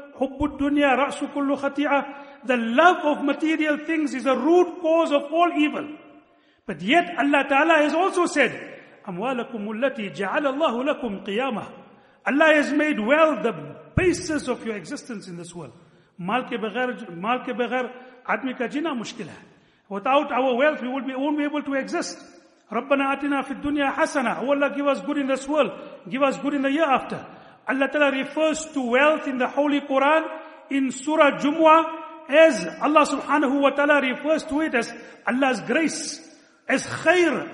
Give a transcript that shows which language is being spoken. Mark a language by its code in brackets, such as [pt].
[ar] حُبُّ الدُّنْيَا رَأْسُ كُلُّ خَطِيعَةٍ. [en] The love of material things is a root cause of all evil. But yet Allah Ta'ala has also said, [ar] أَمْوَالَكُمُ الَّتِي جَعَلَ اللَّهُ لَكُمْ قِيَامَةً. [en] Allah has made wealth the basis of your existence in this world. [ur] مال کے بغیر آدمی کا جینا مشکل ہے. [en] Without our wealth, we won't be able to exist. [ar] رَبَّنَا آتِنَا فِي الدُّنْيَا حَسَنَةً. [en] Oh Allah, give us good in this world. Give us good in the year after. Allah Ta'ala refers to wealth in the Holy Quran, in Surah Jumu'ah, as Allah Subhanahu wa Ta'ala refers to it as Allah's grace, as khair.